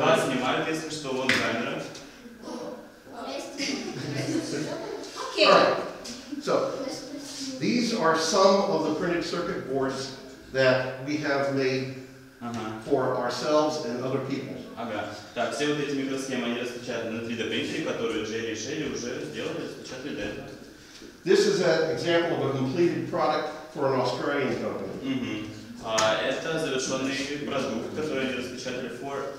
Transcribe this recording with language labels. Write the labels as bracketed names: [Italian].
[Russian] Вас снимают, если что, вон камера. [English] Okay. All right. So these are some of the printed circuit boards that we have made for ourselves and other people. [Russian] Ага. Так, все вот эти микросхемы они распечатаны на 3D принтере, которые уже решили, уже сделали, распечатали для этого. [English] This is an example of a completed product for an Australian company. [Russian] Это завершенный продукт, который они распечатали [English] for